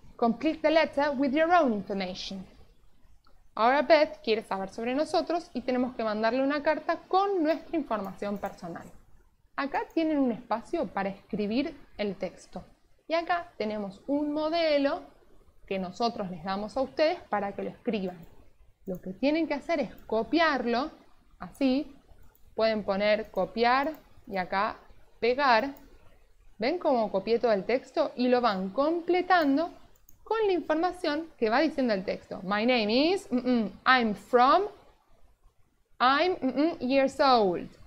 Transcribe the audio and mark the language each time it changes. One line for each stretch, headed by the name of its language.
English: Complete the letter with your own information.
Spanish: Ahora Beth quiere saber sobre nosotros y tenemos que mandarle una carta con nuestra información personal. Acá tienen un espacio para escribir el texto. Y acá tenemos un modelo que nosotros les damos a ustedes para que lo escriban. Lo que tienen que hacer es copiarlo, así. Pueden poner copiar y acá pegar. ¿Ven cómo copié todo el texto? Y lo van completando con la información que va diciendo el texto.
English: My name is, I'm from, I'm years old.